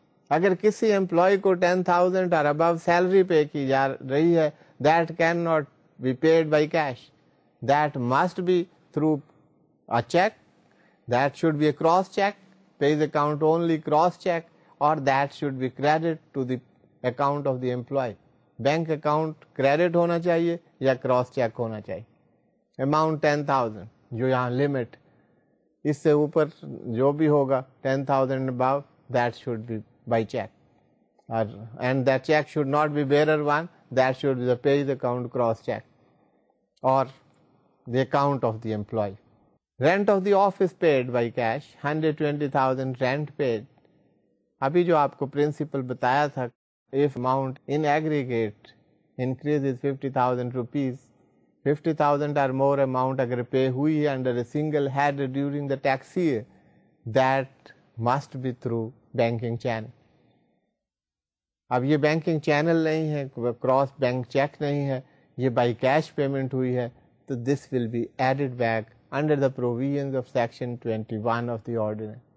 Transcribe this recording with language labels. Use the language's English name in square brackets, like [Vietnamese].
[Urdu] اگر کسی امپلائی کو [English] 10,000 اور above salary pay [Urdu] کی جا رہی ہے [English] That can not be paid by cash, that must be through a cheque, that should be a cross cheque, payee's account only cross cheque, اور that should be credit to the account of the employee. [Urdu] Bank account credit ہونا چاہیے یا cross check ہونا چاہیے. Amount 10,000 جو یہاں limit, اس سے اوپر جو بھی ہوگا [English] 10,000 above that should be by check and that check should not be bearer one, that should be the paid account cross check or the account of the employee. Rent of the office paid by cash 120,000 rent paid. [Urdu] ابھی جو آپ کو principal بتایا تھا [English] if amount in aggregate increases 50,000 rupees, 50,000 or more amount [Urdu] agar pay hui hai [English] under a single head during the tax year, that must be through banking channel. [Urdu] اب یہ banking channel نہیں ہے, کراس بینک چیک نہیں ہے, یہ by cash payment ہوئی ہے, تو [English] This will be added back under the provisions of section 21 of the ordinance.